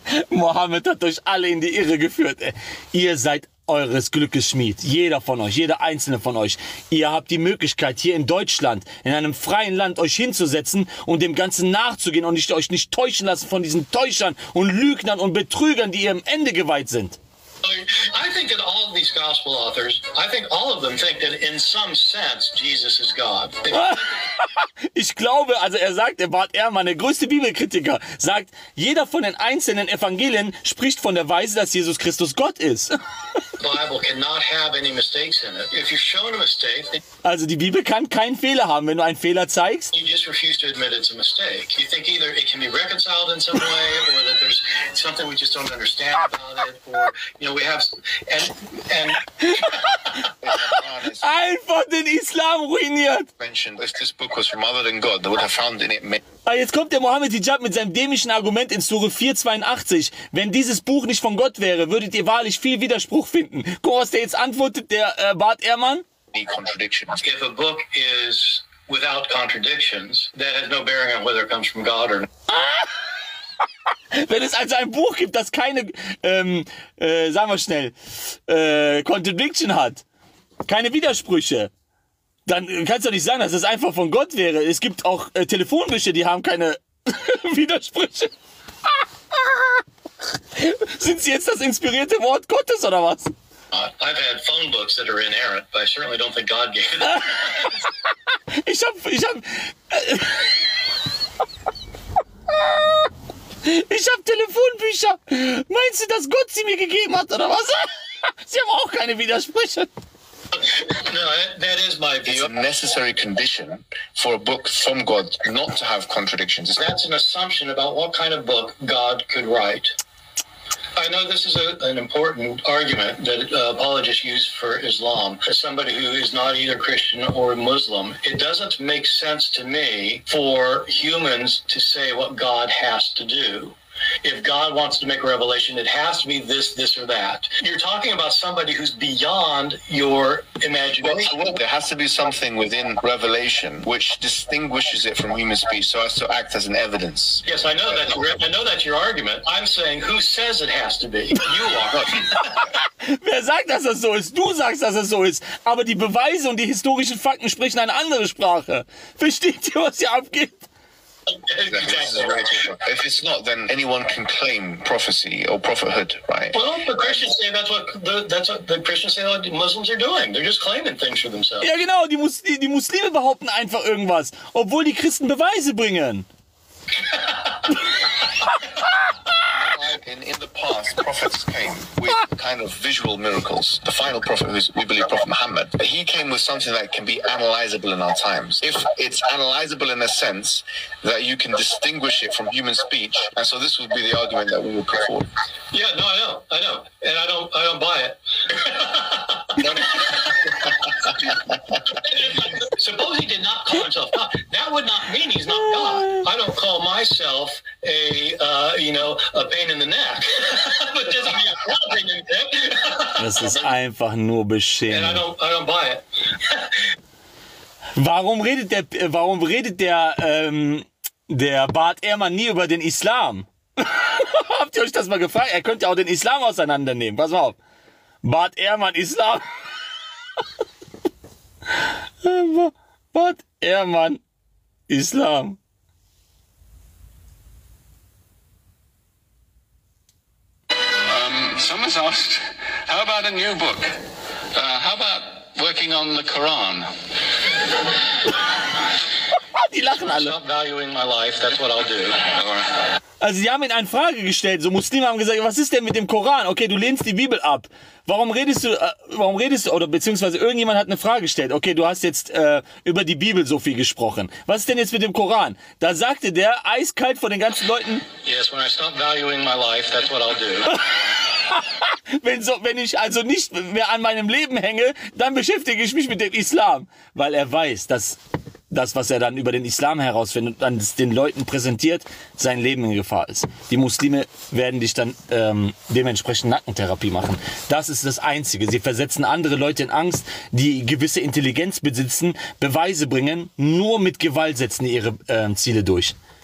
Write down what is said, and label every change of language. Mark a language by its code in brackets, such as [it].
[de] Mohammed hat euch alle in die Irre geführt. Ihr seid eures Glückes Schmied. Jeder von euch, jeder einzelne von euch. Ihr habt die Möglichkeit, hier in Deutschland, in einem freien Land, euch hinzusetzen und dem Ganzen nachzugehen und euch nicht täuschen lassen von diesen Täuschern und Lügnern und Betrügern, die ihr am Ende geweiht sind. [en] I think that all of these gospel authors, I think all of them think that in some sense Jesus is God. [de] Ich glaube, also er sagt, er Bart Ehrmann, der größte Bibelkritiker, sagt, jeder von den einzelnen Evangelien spricht von der Weise, dass Jesus Christus Gott ist. [en] Bible cannot have any mistakes in it. If you've shown a mistake, [de] also die Bibel kann keinen Fehler haben, wenn du einen Fehler zeigst. [en] You just refuse to admit it's a mistake. You think either it can be reconciled in some way, or that there's something we just don't understand about it, or you know we have and [de] einfach den Islam ruiniert. [en] Mentioned if this book was from other than God, they would have found in it. [de] Jetzt kommt der Mohammed Hijab mit seinem dämischen Argument in Sure 482. Wenn dieses Buch nicht von Gott wäre, würdet ihr wahrlich viel Widerspruch finden. Guck, was der jetzt antwortet, der Bart Ehrmann. [en] Any contradictions. If a book is without contradictions, that has no bearing on whether it comes from God or not. [de] Wenn es also ein Buch gibt, das keine, sagen wir schnell, Contradiction hat, keine Widersprüche, dann kannst du nicht sagen, dass es einfach von Gott wäre. Es gibt auch Telefonbücher, die haben keine Widersprüche. Sind sie jetzt das inspirierte Wort Gottes oder was? [en] I've had phone books that are inerrant, but I certainly don't think God gave them. [de] Ich hab Telefonbücher. Meinst du, dass Gott sie mir gegeben hat oder was? Sie haben auch keine Widersprüche. [en] No, that is my view. It's a necessary condition for a book from God not to have contradictions. That's an assumption about what kind of book God could write. I know this is an important argument that apologists use for Islam. As somebody who is not either Christian or Muslim, it doesn't make sense to me for humans to say what God has to do. If God wants to make a revelation, it has to be this, this, or that. You're talking about somebody who's beyond your imagination. Well, there has to be something within revelation which distinguishes it from human speech so as to act as an evidence. Yes, I know that. I know that's your argument. I'm saying, who says it has to be? You are. [de] Wer sagt, dass das so ist? Du sagst, dass das so ist. Aber die Beweise und die historischen Fakten sprechen eine andere Sprache. Versteht ihr, was hier abgeht? [en] Exactly. If it's not, then anyone can claim prophecy or prophethood, right? Well, the Christians say that's what Muslims are doing. They're just claiming things for themselves. [de] Ja, genau. Die Muslime behaupten einfach irgendwas, obwohl die Christen Beweise bringen. [en] In the past, prophets came with kind of visual miracles. The final prophet, who we believe Prophet Muhammad, he came with something that can be analyzable in our times. If it's analyzable in a sense that you can distinguish it from human speech, and so this would be the argument that we would put forward. Yeah, no, I know, and I don't buy it. Suppose he did not call himself God. That would not mean he's not God. I don't call myself a pain in the neck. But does he mean I'm not a pain in the neck? [de] Das ist einfach nur beschämend. [en] And I don't buy it. [de] Warum redet der Bart Ehrmann nie über den Islam? Habt ihr euch das mal gefragt? Er könnte ja auch den Islam auseinandernehmen. Pass auf. Bart Ehrmann, Islam. Bart Ehrmann, Islam. [en] Someone's asked, how about a new book? How about working on the Quran? [de] Die lachen alle. [en] Stop valuing my life, that's what I'll do. [de] Also sie haben ihn eine Frage gestellt, so Muslime haben gesagt, was ist denn mit dem Koran? Okay, du lehnst die Bibel ab. Warum redest du, oder beziehungsweise irgendjemand hat eine Frage gestellt. Okay, du hast jetzt über die Bibel so viel gesprochen. Was ist denn jetzt mit dem Koran? Da sagte der eiskalt vor den ganzen Leuten. [en] Yes, when I stop valuing my life, that's what I'll do. [de] wenn ich also nicht mehr an meinem Leben hänge, dann beschäftige ich mich mit dem Islam. Weil er weiß, dass das, was er dann über den Islam herausfindet und dann den Leuten präsentiert, sein Leben in Gefahr ist. Die Muslime werden dich dann dementsprechend Nackentherapie machen. Das ist das Einzige. Sie versetzen andere Leute in Angst, die gewisse Intelligenz besitzen, Beweise bringen, nur mit Gewalt setzen ihre Ziele durch.